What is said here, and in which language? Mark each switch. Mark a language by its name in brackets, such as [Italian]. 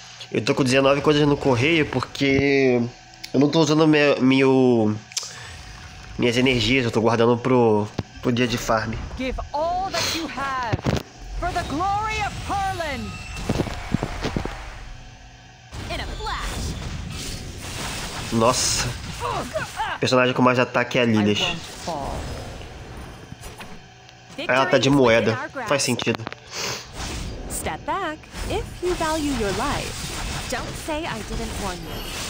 [Portuguese] Eu tô com 19 coisas no correio porque eu não tô usando minhas energias, eu tô guardando pro dia de farm. [English] Give all that you have for the glory of Perlin. [Portuguese] Nossa, personagem com mais ataque é a Lilith. Ela tá de moeda, faz sentido. [English] Step back. If you value your life, don't say I didn't warn you.